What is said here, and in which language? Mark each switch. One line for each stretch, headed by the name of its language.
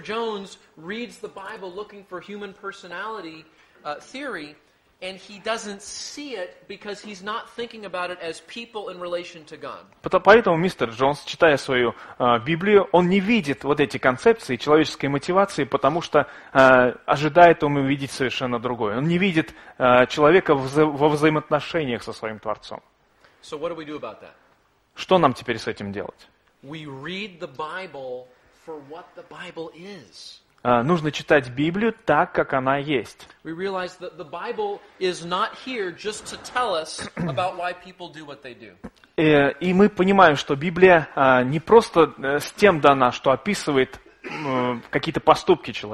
English: Jones reads the Bible looking for human personality theory. And he doesn't see it because he's not thinking about it as people in relation to God.
Russian: Поэтому мистер Джонс, читая свою Библию, он не видит вот эти концепции человеческой мотивации, потому что ожидает он увидеть совершенно другое. Он не видит человека во взаимоотношениях со своим Творцом.
English: So what do we do about that?
Russian: Что нам теперь с этим делать?
English: We read the Bible for what the Bible is.
Russian: Нужно читать Библию так, как она есть. И мы понимаем, что Библия не просто с тем дана, что описывает какие-то поступки